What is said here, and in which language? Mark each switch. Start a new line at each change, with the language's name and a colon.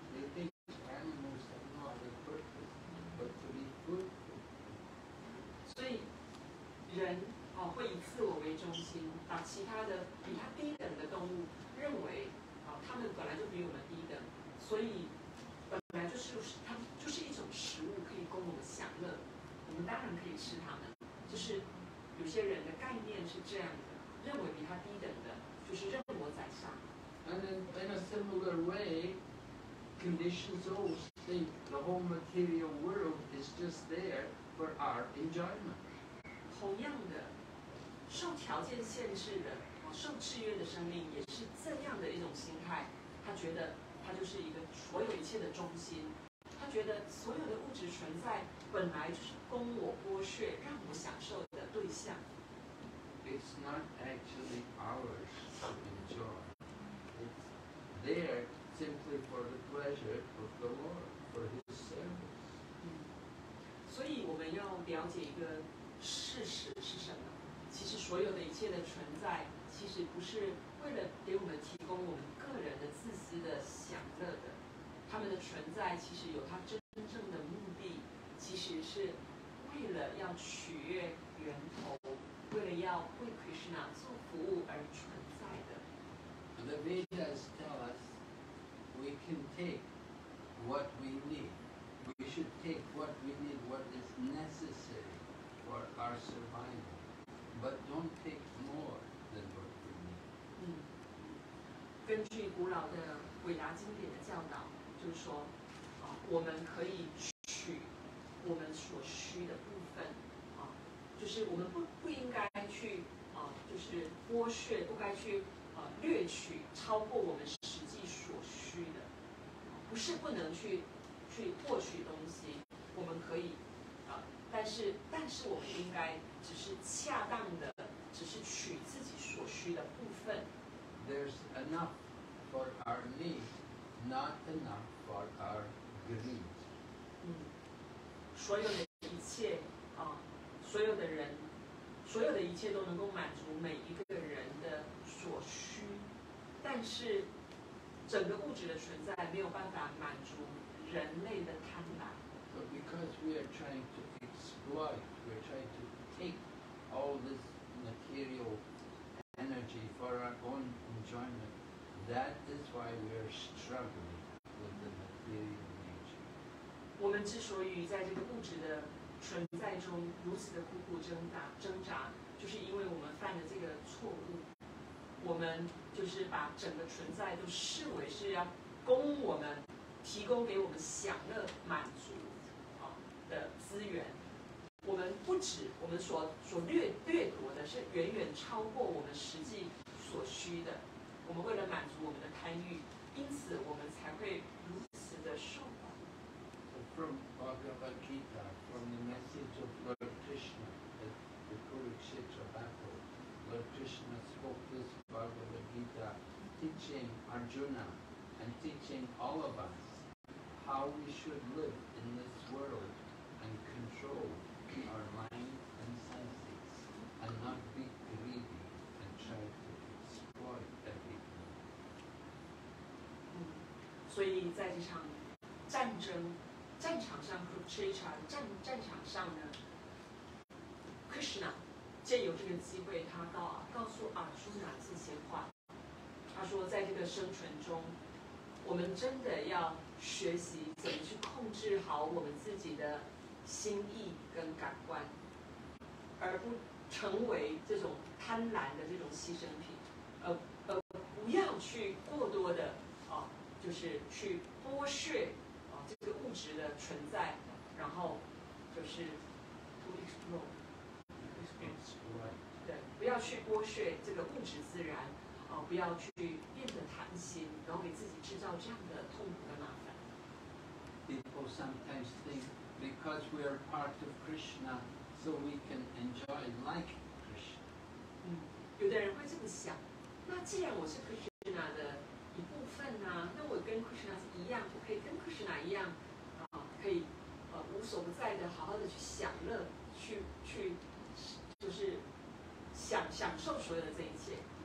English: They think animals have no other purpose but to be food.
Chinese: 所以，人。哦，会以自我为中心，把其他的比他低等的动物认为，哦，他们本来就比我们低等，所以本来就是他们就是一种食物，可以供我们享乐，我们当然可以吃它们。就是有些人的概念是这样的，认为比他低等的就是任我宰杀。
English: And in a similar way, conditions always think the whole material world is just there for our enjoyment.
Chinese: 同样的，受条件限制的、受制约的生命也是这样的一种心态。他觉得他就是一个所有一切的中心，他觉得所有的物质存在本来就是供我剥削、让我享受的对象。
English: It's not actually ours to enjoy. It's there simply for the pleasure of the Lord, for His service.
Chinese: 所以我们要了解一个。事实是什么？其实所有的一切的存在，其实不是为了给我们提供我们个人的自私的享乐的。他们的存在其实有它真正的目的，其实是为了要取悦源头，为了要为 Krishna 做服务而存在的。
English: The Vedas tell us we can take what we need. We should take what we need, what is necessary. For our survival, but don't take more than what we need.
Chinese: 根据古老的韦达经典的教导，就是说，我们可以取我们所需的部分，就是我们不应该去就是剥削，不该去掠取超过我们实际所需的，不是不能去获取东西，我们可以。但是我们应该只是恰当的，只是取自己所需的部分。
English: There's enough for our need, not enough for our greed.
Chinese: 所有的一切啊，所有的人，所有的一切都能够满足每一个人的所需，但是整个物质的存在没有办法满足人类的贪婪。
English: But because we are trying to exploit, we're trying to take all this material energy for our own enjoyment, that is why we are struggling with the material nature.
Chinese: 我们之所以在这个物质的存在中如此的苦苦挣扎，就是因为我们犯了这个错误，我们就是把整个存在都视为是要供我们提供给我们享乐满足的资源，我们不止我们所掠夺的是远远超过我们实际所需的，我们为了满足我们的贪欲，因此我们才会如此的受苦。
English: From Bhagavad Gita, from the message of Lord Krishna at the Kurukshetra battle, Lord Krishna spoke this Bhagavad Gita, teaching Arjuna and teaching all of us how we should live in this world and control our mind and senses and not be greedy and try to exploit everything.
Chinese: 战场上 Kurukshetra 战场上呢 Krishna 借有这个机会，他告诉阿朱娜这些话，他说在这个生存中我们真的要学习怎么去控制好我们自己的心意跟感官，而不成为这种贪婪的这种牺牲品，而不要去过多的就是去剥削这个物质的存在，然后就是
English: to explore，
Chinese: 对，不要去剥削这个物质自然，不要去变得贪心，然后给自己制造这样的痛苦的麻烦。
English: People sometimes think because we are part of Krishna, so we can enjoy like Krishna。
Chinese: 有的人会这么想，那既然我是 Krishna 的一部分啊，那我跟 Krishna 一样，我可以跟 Krishna 一样可以无所不在的好好的去享乐，去就是享受所有的这一切。